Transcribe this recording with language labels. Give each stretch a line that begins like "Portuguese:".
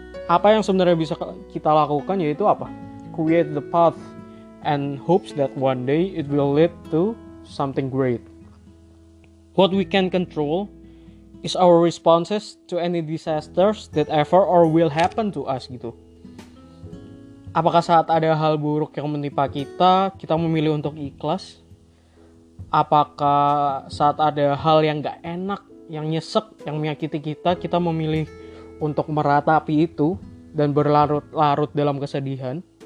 Indonesian: Apa yang sebenarnya bisa kita lakukan yaitu apa?
English: Create the path and hopes that one day it will lead to something great. What we can control is our responses to any disasters that ever or will happen to us gitu.
Indonesian: Apakah saat ada hal buruk yang menimpa kita, kita memilih untuk ikhlas? Apakah saat ada hal yang gak enak, yang nyesek, yang menyakiti kita, kita memilih untuk meratapi itu dan berlarut-larut dalam kesedihan?